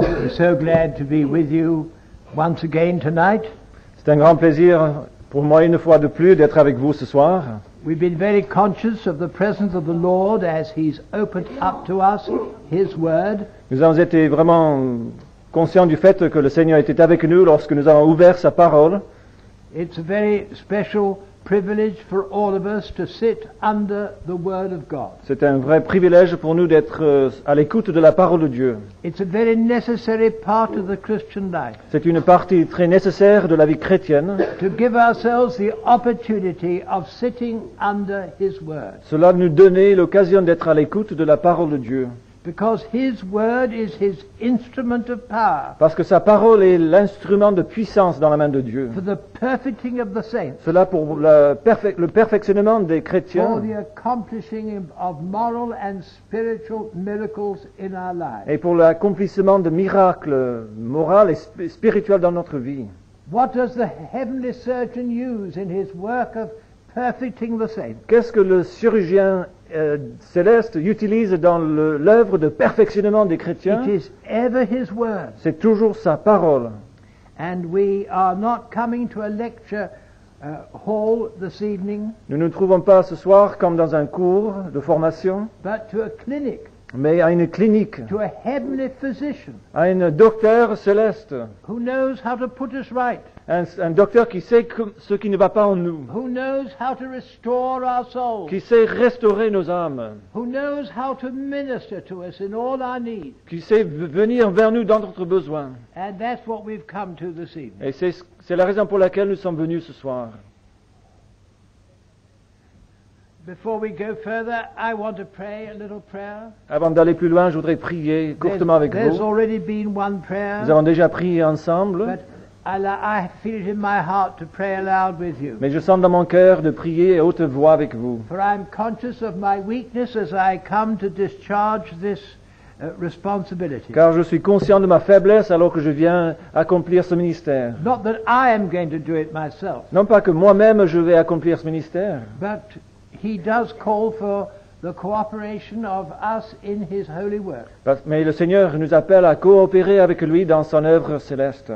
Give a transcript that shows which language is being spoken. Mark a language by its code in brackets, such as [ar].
[en] So glad to be with you once again tonight. [fr] C'est un grand plaisir pour moi une fois de plus d'être avec vous ce soir. [en] We've been very conscious of the presence of the Lord as He's opened up to us His Word. [fr] Nous avons été vraiment conscients du fait que le Seigneur était avec nous lorsque nous avons ouvert Sa parole. [en] It's a very special privilege for all of us to sit under the Word of God. [fr] C'est un vrai privilège pour nous d'être à l'écoute de la parole de Dieu. [en] It's a very necessary part of the Christian life. [fr] C'est une partie très nécessaire de la vie chrétienne. [en] To give ourselves the opportunity of sitting under His Word. [fr] Cela nous donne l'occasion d'être à l'écoute de la parole de Dieu. [en] Because His Word is His instrument of power. [fr] Parce que sa parole est l'instrument de puissance dans la main de Dieu. [en] For the perfecting of the saints. [fr] Cela pour le perfectionnement des chrétiens. [en] For the accomplishing of moral and spiritual miracles in our lives. [fr] Et pour l'accomplissement de miracles moraux et spirituels dans notre vie. [en] What does the heavenly surgeon use in his work of perfecting the saints? [fr] Qu'est-ce que le chirurgien céleste utilise dans l'œuvre de perfectionnement des chrétiens? [en] It is ever His Word. [fr] C'est toujours sa parole. [en] And we are not coming to a lecture hall this evening. [fr] Nous ne nous trouvons pas ce soir comme dans un cours de formation. [en] But to a clinic. [fr] Mais à une clinique. [en] To a heavenly physician. [fr] À un docteur céleste. [en] Who knows how to put us right. [fr] Un docteur qui sait ce qui ne va pas en nous. [en] Who knows how to restore our souls. [fr] Qui sait restaurer nos âmes. [en] Who knows how to minister to us in all our needs. [fr] Qui sait venir vers nous dans notre besoin. [en] And that's what we've come to this evening. [fr] Et c'est la raison pour laquelle nous sommes venus ce soir. [en] Before we go further, I want to pray a little prayer. [fr] Avant d'aller plus loin, je voudrais prier courtement avec vous. [en] There's already been one prayer. [fr] Nous avons déjà prié ensemble. [en] I feel it in my heart to pray aloud with you. [fr] Mais je sens dans mon cœur de prier à haute voix avec vous. [en] For I'm conscious of my weakness as I come to discharge this responsibility. [fr] Car je suis conscient de ma faiblesse alors que je viens accomplir ce ministère. [en] Not that I am going to do it myself. [fr] Non pas que moi-même je vais accomplir ce ministère. [en] But He does call for the cooperation of us in His holy work. [fr] Mais le Seigneur nous appelle à coopérer avec lui dans son œuvre céleste.